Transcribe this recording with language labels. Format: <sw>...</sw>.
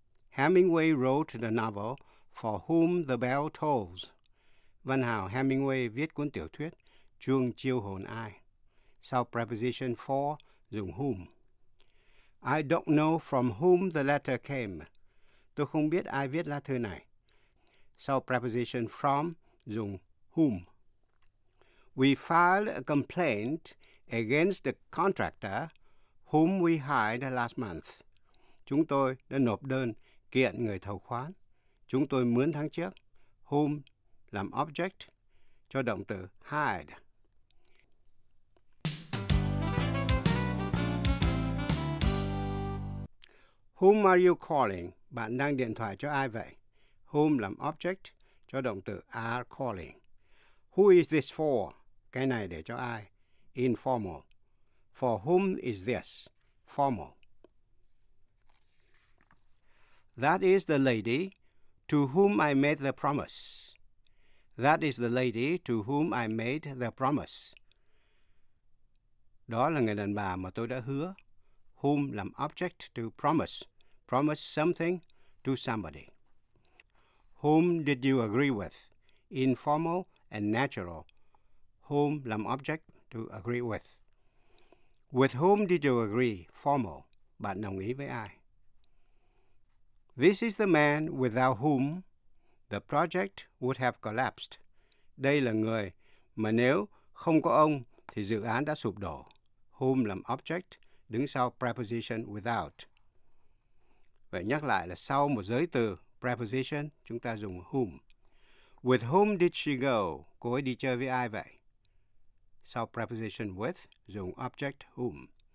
<en>Hemingway wrote the novel For Whom the Bell Tolls.</en> <vi>Văn hào Hemingway viết cuốn tiểu thuyết Chuông chiêu hồn ai? Sau preposition for, dùng whom.</vi> <en>I don't know from whom the letter came.</en> <vi>Tôi không biết ai viết lá thư này. Sau preposition from, dùng whom.</vi> <en>We filed a complaint against the contractor whom we hired last month.</en> <vi>Chúng tôi đã nộp đơn kiện người thầu khoán. Chúng tôi mướn tháng trước. Whom làm object cho động từ hired.</vi> <en>Whom are you calling?</en> <vi>Bạn đang điện thoại cho ai vậy? Whom làm object cho động từ are calling.</vi> <en>Who is this for?</en> <vi>Cái này để cho ai?</vi> <en>Informal. For whom is this? Formal. That is the lady to whom I made the promise. That is the lady to whom I made the promise.</en> <vi>Đó là người đàn bà mà tôi đã hứa.</vi> <en>Whom làm object to promise. Promise something to somebody. Whom did you agree with? Informal and natural. Whom làm object to agree with. With whom did you agree? Formal.</en> <vi>Bạn đồng ý với ai?</vi> <en>This is the man without whom the project would have collapsed.</en> <vi>Đây là người mà nếu không có ông thì dự án đã sụp đổ. Whom làm object, đứng sau preposition without. Vậy nhắc lại là sau một giới từ preposition, chúng ta dùng whom.</vi> <en>With whom did she go?</en> <vi>Cô ấy đi chơi với ai vậy? Sau preposition with, dùng object whom.</vi>